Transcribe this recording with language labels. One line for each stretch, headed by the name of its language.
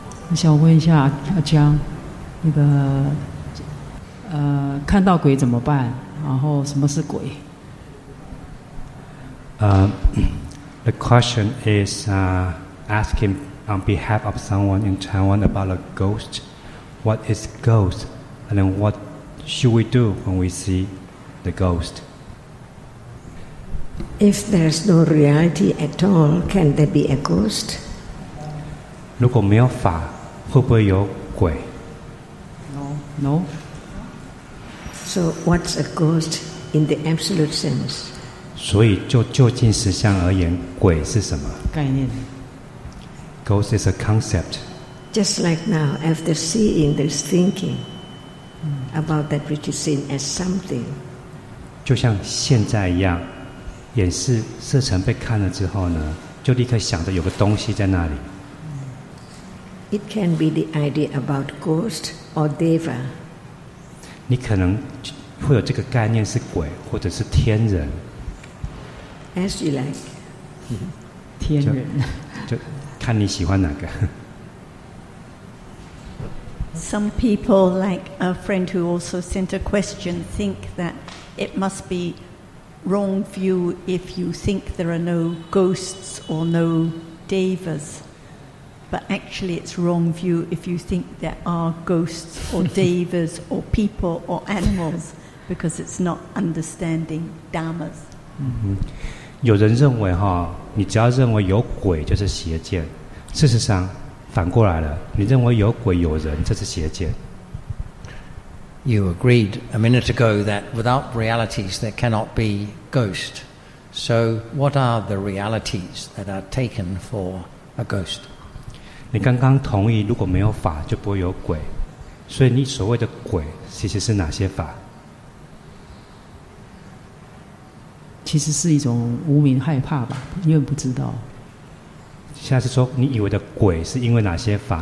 Chinese: 我想问一下阿江，那个看到鬼怎么办？然后什么是鬼？
English: The question is asking on behalf of someone in Taiwan about a ghost. What is ghost? And then what should we do when we see the ghost? If there's no reality at all, can there be a ghost?
Chinese: 如果没有法，会不会有鬼？
English: No, no. So what's a ghost in the absolute sense?
Chinese: 所以就究竟实相而言，鬼是什么？概念。
English: Ghost is a concept. Just like now, after seeing this thinking about that which is seen as something.
Chinese: 就像现在一样，眼识色尘被看了之后呢，就立刻想着有个东西在那里。
English: It can be the idea about ghost or deva.
Chinese: 你可能会有这个概念是鬼或者是天人。
English: As you like.
Chinese: 天人。就看你喜欢哪个。
English: Some people, like a friend who also sent a question, think that it must be wrong view if you think there are no ghosts or no devas. But actually, it's wrong view if you think there are ghosts or devas or people or animals, because it's not understanding dharmas.
Chinese: 有人认为哈，你只要认为有鬼就是邪见。事实上，反过来了，你认为有鬼有人，这是邪见。
English: You agreed a minute ago that without realities there cannot be ghost. So, what are the realities that are taken for a ghost?
Chinese: 你刚刚同意，如果没有法，就不会有鬼。所以你所谓的鬼，其实是哪些法？其实是一种无名害怕吧，因为不知道。下次说你以为的鬼是因为哪些法？